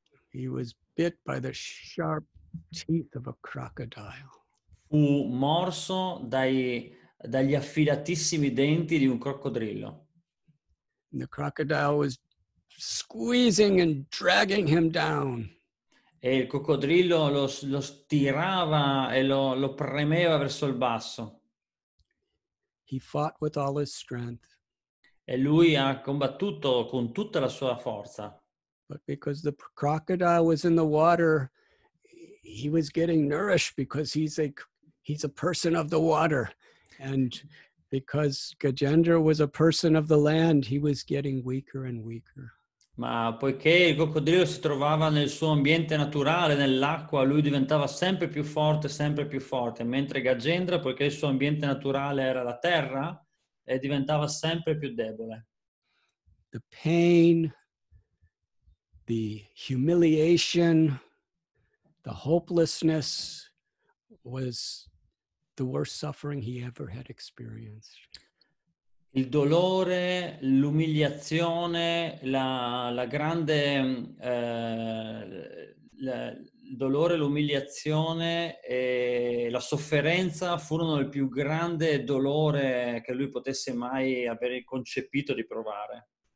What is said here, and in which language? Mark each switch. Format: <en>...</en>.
<en>He was bit by the sharp teeth of a crocodile.</en> <it>Fu morso dagli affilatissimi denti di un coccodrillo.</it> <en>And the crocodile was squeezing and dragging him down.</en> <it>E il coccodrillo lo stirava e lo premeva verso il basso.</it> <en>He fought with all his strength.</en> <it>E lui ha combattuto con tutta la sua forza.</it> <en>But because the crocodile was in the water, he was getting nourished because he's a person of the water, and because Gajendra was a person of the land, he was getting weaker and weaker.</en> <it>Ma poiché il coccodrillo si trovava nel suo ambiente naturale, nell'acqua, lui diventava sempre più forte, mentre Gajendra, poiché il suo ambiente naturale era la terra, diventava sempre più debole.</it> <en>The pain, the humiliation, the hopelessness was the worst suffering he ever had experienced.</en> <it>Il dolore, l'umiliazione, la grande il dolore, l'umiliazione e la sofferenza furono il più grande dolore che lui potesse mai aver concepito di provare.</it>